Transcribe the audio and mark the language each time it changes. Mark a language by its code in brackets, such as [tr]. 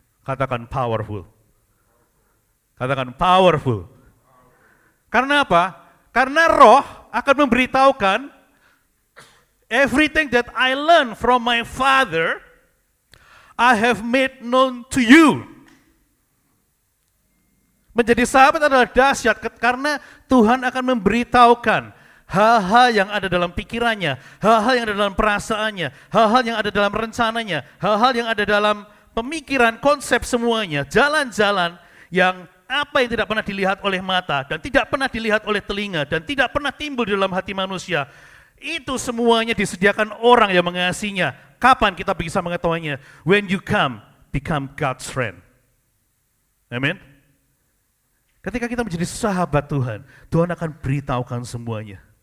[id] Katakan powerful. Katakan powerful. Karena apa? Karena roh akan memberitahukan [en] everything that I learned from my father, I have made known to you. [id] Menjadi sahabat adalah dahsyat karena Tuhan akan memberitahukan hal-hal yang ada dalam pikirannya, hal-hal yang ada dalam perasaannya, hal-hal yang ada dalam rencananya, hal-hal yang ada dalam pemikiran, konsep semuanya, jalan-jalan yang apa yang tidak pernah dilihat oleh mata dan tidak pernah dilihat oleh telinga dan tidak pernah timbul di dalam hati manusia. Itu semuanya disediakan orang yang mengasihinya. Kapan kita bisa mengetahuinya? [en] When you come, become God's friend. Amen. [id] Ketika kita menjadi sahabat Tuhan, Tuhan akan beritahukan semuanya.